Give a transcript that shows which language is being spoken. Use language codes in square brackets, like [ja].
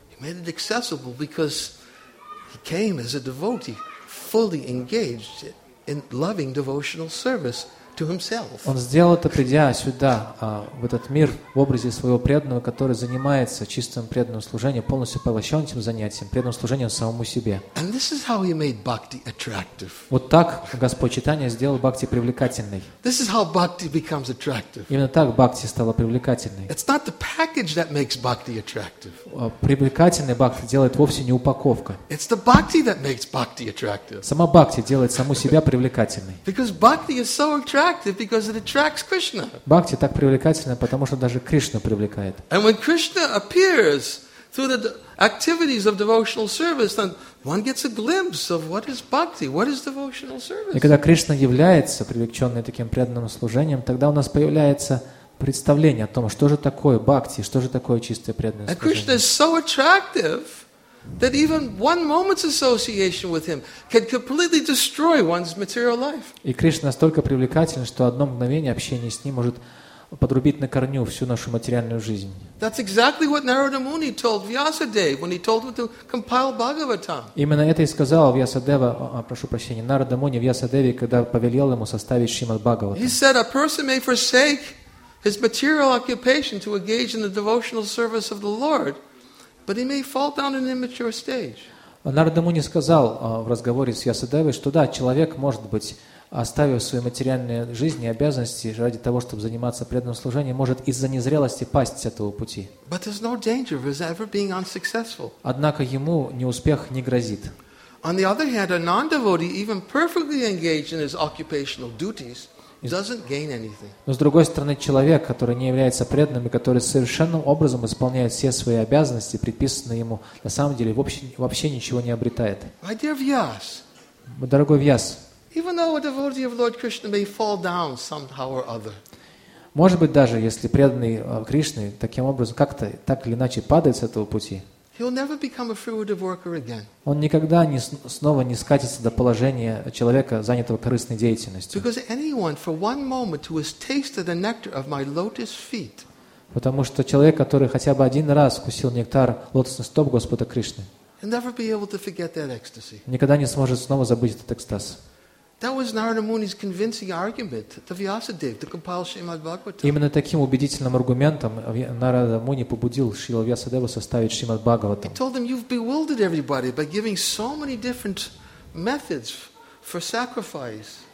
[en] He made it accessible because he came as a devotee, fully engaged in loving devotional service to himself. [ru] Он сделал это, придя сюда, в этот мир, в образе своего преданного, который занимается чистым преданным служением, полностью поглощен этим занятием, преданным служением самому себе. [en] And this is how he made bhakti attractive. [ru] Вот так Господь Чайтанья сделал бхакти привлекательной. [en] This is how bhakti becomes attractive. [ru] Именно так бхакти стала привлекательной. [en] It's not the package that makes bhakti attractive. [ru] Привлекательной бхакти делает вовсе не упаковка. [en] It's the bhakti that makes bhakti attractive. [ru] Сама бхакти делает саму себя привлекательной. [en] Because bhakti is so attractive because it attracts Krishna. [ru] Бхакти так привлекательна, потому что даже Кришна привлекает. [en] And when Krishna appears through the activities of devotional service, then one gets a glimpse of what is bhakti, what is devotional service. [ru] И когда Кришна является привлеченный таким преданным служением, тогда у нас появляется представление о том, что же такое бхакти, что же такое чистое преданное служение. [en] And Krishna is so attractive that even one moment's association with him can completely destroy one's material life. [ru] И Кришна настолько привлекателен, что одно мгновение общения с ним может подрубить на корню всю нашу материальную жизнь. [en] That's exactly what Narada Muni told Vyasadeva when he told him to compile Bhagavatam. [ru] Именно это и сказал Вьясадева, прошу прощения, Нарада Муни Вьясадеве, когда повелел ему составить Шримад Бхагаватам. [en] He said a person may forsake his material occupation to engage in the devotional service of the Lord. But he may fall down in an immature stage. [ru] Нарада Муни сказал в разговоре с Ясадевой, что да, человек может быть, оставив свои материальные жизни и обязанности ради того, чтобы заниматься преданным служением, может из-за незрелости пасть с этого пути. [en] But there's no danger of his ever being unsuccessful. [ru] Однако ему неуспех не грозит. [en] On the other hand, a non-devotee, even perfectly engaged in his occupational duties, doesn't gain anything. [ru] Но с другой стороны, человек, который не является преданным и который совершенным образом исполняет все свои обязанности, предписанные ему, на самом деле вообще ничего не обретает. [en] My dear Vyas, [ru] дорогой Вьяс, [en] even though a devotee of Lord Krishna may fall down somehow or other, [ru] может быть даже если преданный Кришны таким образом как-то так или иначе падает с этого пути, [en] he'll never become a fruitive worker again. [ru] Он никогда не снова не скатится до положения человека, занятого корыстной деятельностью. [en] Because anyone for one moment who has tasted the nectar of my lotus feet. [ru] Потому что человек, который хотя бы один раз вкусил нектар лотосных стоп Господа Кришны, [en] he'll never be able to forget that ecstasy. [ru] Никогда не сможет снова забыть этот экстаз. [en] That was Narada Muni's convincing argument to Vyasadeva to compile Shrimad Bhagavatam. [ru] Именно таким убедительным аргументом Нарада Муни побудил Шрила Вьясадеву составить Шримад Бхагаватам. [en] He told them, "You've bewildered everybody by giving so many different methods for sacrifice."